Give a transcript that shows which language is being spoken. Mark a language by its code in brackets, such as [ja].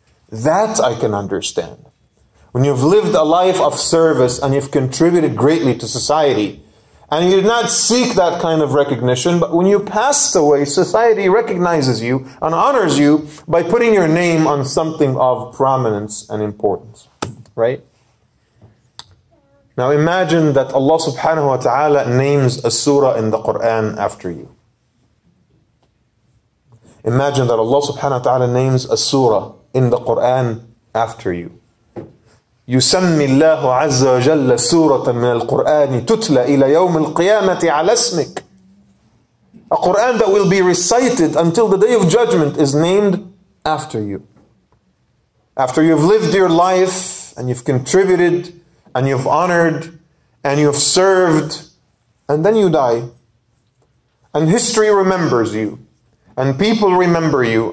[en] That I can understand. When you've lived a life of service and you've contributed greatly to society, and you did not seek that kind of recognition, but when you passed away, society recognizes you and honors you by putting your name on something of prominence and importance, right? Now imagine that Allah subhanahu wa ta'ala names a surah in the Quran after you. Imagine that Allah subhanahu wa ta'ala names a surah in the Quran after you. [ar] يسمي الله عز وجل سورة من القرآن تتلى إلى يوم القيامة على اسمك. [en] A Quran that will be recited until the day of judgment is named after you. After you've lived your life and you've contributed and you've honored and you've served and then you die. And history remembers you. And people remember you.